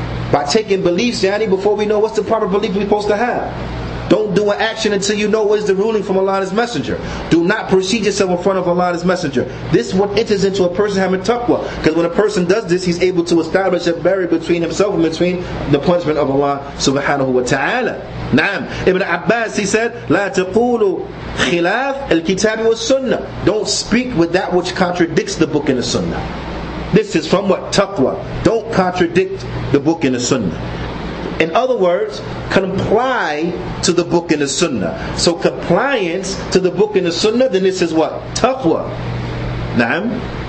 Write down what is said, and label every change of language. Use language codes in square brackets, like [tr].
[en] By taking beliefs, yani, before we know what's the proper belief we're supposed to have. Don't do an action until you know what is the ruling from Allah and His Messenger. Do not proceed yourself in front of Allah and His Messenger. This is what enters into a person having taqwa. Because when a person does this, he's able to establish a barrier between himself and between the punishment of Allah subhanahu wa ta'ala. Naam. [ar] Ibn Abbas, [en] he said, [ar] لا تقولوا خلاف الكتاب والسنة. [en] Don't speak with that which contradicts the book and the sunnah. This is from what? Taqwa. Don't contradict the book and the sunnah. In other words, comply to the book and the sunnah. So compliance to the book and the sunnah, then this is what? Taqwa. Naam.